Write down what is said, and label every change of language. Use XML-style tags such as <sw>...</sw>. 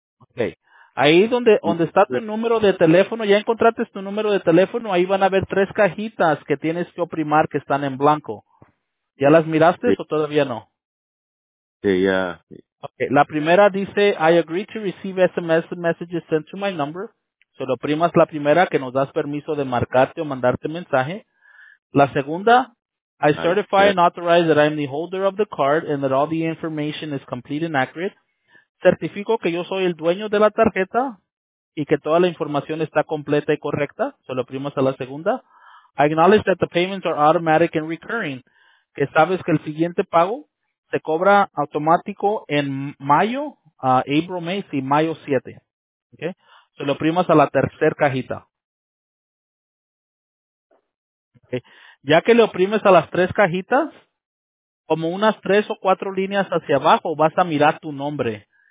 <es>Okay. Ahí donde está tu número de teléfono, ya encontraste tu número de teléfono, ahí van a ver tres cajitas que tienes que oprimar que están en blanco. ¿Ya las miraste o todavía no? Sí, ya. Okay. La primera dice,</es> <en>I agree to receive SMS messages sent to my number.</en> <es>So la prima es la primera que nos das permiso de marcarte o mandarte mensaje. La segunda,</es> <en>I certify and authorize that I am the holder of the card and that all the information is complete and accurate.</en> <es>Certifico que yo soy el dueño de la tarjeta y que toda la información está completa y correcta. So la prima es la segunda.</es> <en>I acknowledge that the payments are automatic and recurring.</en> <es>Que sabes que el siguiente pago se cobra automático en mayo, April, May, sí, mayo 7. Okay. So lo primas a la tercera cajita. Okay. Ya que le oprimes a las tres cajitas, como unas tres o cuatro líneas hacia abajo, vas a mirar tu nombre.</es>